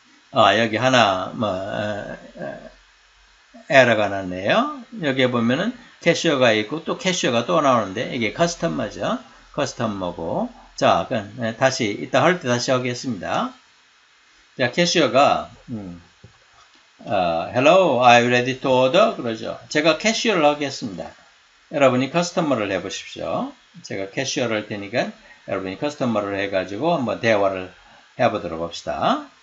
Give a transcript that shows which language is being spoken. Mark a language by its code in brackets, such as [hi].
[ko] 아, 여기 하나, 에러가 났네요. 여기에 보면은 캐셔가 있고 또 캐셔가 또 나오는데 이게 커스텀머죠. 커스텀머고. 자, 그럼 다시, 이따 할때 다시 하겠습니다. 자, 캐셔가, [en] Hello, are you ready to order? [ko] 그러죠. 제가 캐셔를 하겠습니다. 여러분이 커스텀머를 해보십시오. 제가 캐셔를 할 테니까 여러분이 커스터머를 해가지고 한번 대화를 해보도록 합시다.